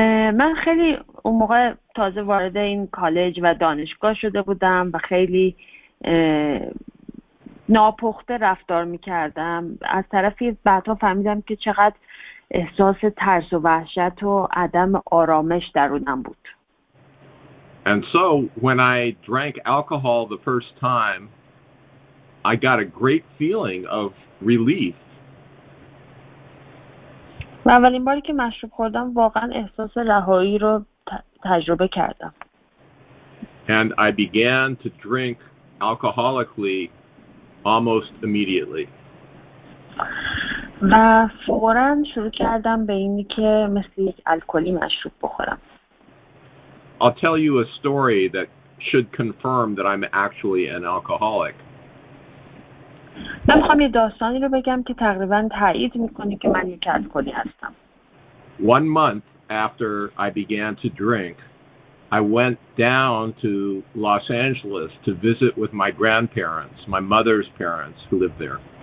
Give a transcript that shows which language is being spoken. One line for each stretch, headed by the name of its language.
Persian: من خیلی اون موقع تازه وارد این کالج و دانشگاه شده بودم و خیلی ناپخته رفتار میکردم. از طرفی بعدا فهمیدم که چقدر احساس ترس و وحشت و عدم آرامش درونم بود.
English: And so when I drank alcohol the first time, I got a great feeling of relief.
Persian: و اولین باری که مشروب خوردم واقعا احساس رهایی رو تجربه کردم.
English: And I began to drink alcoholically almost immediately.
Persian: و فورا شروع کردم به اینی که مثل یک الکلی مشروب بخورم.
English: I'll tell you a story that should confirm that I'm actually an alcoholic.
Persian: من میخوام یه داستانی رو بگم که تقریبا تایید میکنه که من یک الکلی هستم.
English: One month after I began to drink, I went down to Los Angeles to visit with my grandparents, my mother's parents who lived there.